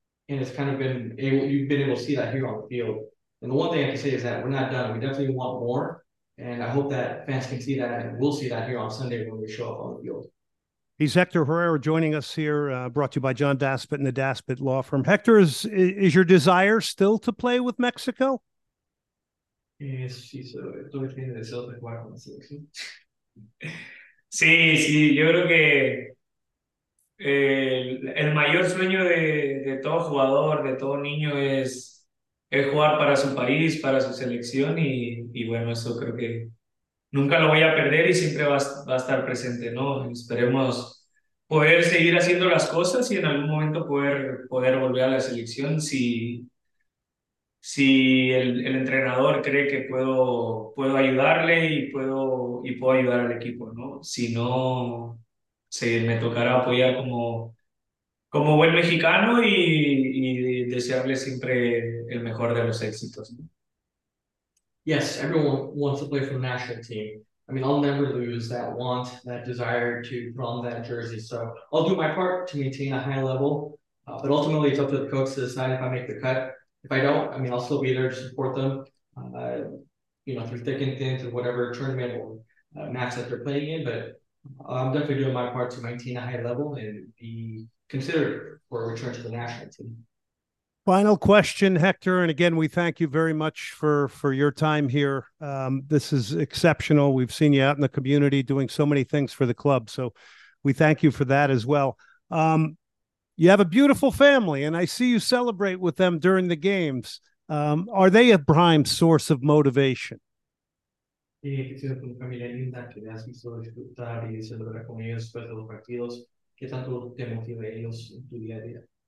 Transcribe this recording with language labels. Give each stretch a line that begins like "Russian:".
English: And it's kind of been able, you've been able to see that here on the field. And the one thing I can say is that we're not done. We definitely want more. And I hope that fans can see that and will see that here on Sunday when we show up on the field. He's Hector Herrera joining us here, brought to you by John Daspit and the Daspit Law Firm. Hector, is your desire still to play with Mexico?
Spanish: Sí, todavía tiene deseos de jugar con la selección. Sí, yo creo que el mayor sueño de todo jugador, de todo niño, es jugar para su país, para su selección, y bueno, eso creo que nunca lo voy a perder y siempre va a estar presente, ¿no? Esperemos poder seguir haciendo las cosas y en algún momento poder volver a la selección si el entrenador cree que puedo ayudarle y puedo ayudar al equipo, ¿no? Si no, me tocará apoyar como buen mexicano y desearle siempre el mejor de los éxitos, ¿no?
English: Yes, everyone wants to play for the national team. I mean, I'll never lose that want, that desire to put on that jersey. So I'll do my part to maintain a high level. But ultimately, it's up to the coach to decide if I make the cut. If I don't, I mean, I'll still be there to support them, you know, through thick and thin, through whatever tournament or match that they're playing in. But I'm definitely doing my part to maintain a high level and be considered for a return to the national team. Final question, Hector. And again, we thank you very much for your time here. This is exceptional. We've seen you out in the community doing so many things for the club. So we thank you for that as well. You have a beautiful family, and I see you celebrate with them during the games. Are they a prime source of motivation?
Spanish: Que sea una familia linda, que le has visto disfrutar y celebrar con ellos después de los partidos, ¿qué tanto te motiva ellos en tu día a día?